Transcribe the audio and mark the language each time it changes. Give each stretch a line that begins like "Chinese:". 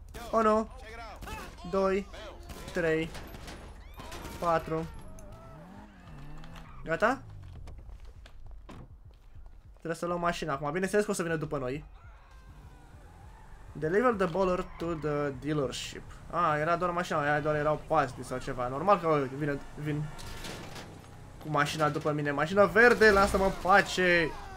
Romanian: Unu. Doi. Trei. Patru. Gata? Trebuie să luăm mașina acum. Bineînțeles că o să vină după noi.
English: Deliver the bowler to the dealership.
Romanian: Ah, era doar mașina, aia doar erau pasti sau ceva. Normal că vin cu mașina după mine. Mașina verde, lasă-mă în pace!